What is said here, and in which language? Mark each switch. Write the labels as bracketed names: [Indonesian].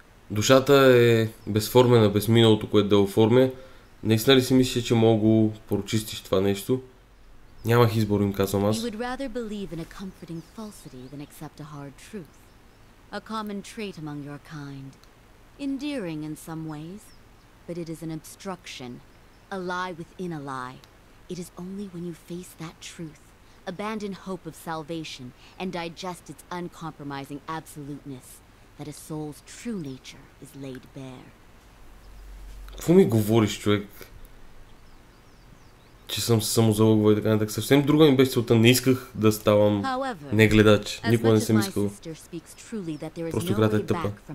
[Bulgarian] Душата е безформена, без миналото, което да оформя. Наистина ли си мислиш, че мога да прочистиш това нещо? Нямах избор, им казвам аз. [English] You would rather believe in a comforting falsity than accept a hard truth. A common trait among your kind. Endearing in some ways, but it is an obstruction. A lie within a lie. It is only when you face that truth, abandon hope of salvation, and digest its uncompromising absoluteness, that a soul's true nature is laid bare. [Bulgarian] Какво ми говориш, човек? Че съм се самозалъгвал и така нататък. Съвсем друга ми беше целта. Не исках да ставам негледач. Никога не съм искал. Просто играта е тъпа.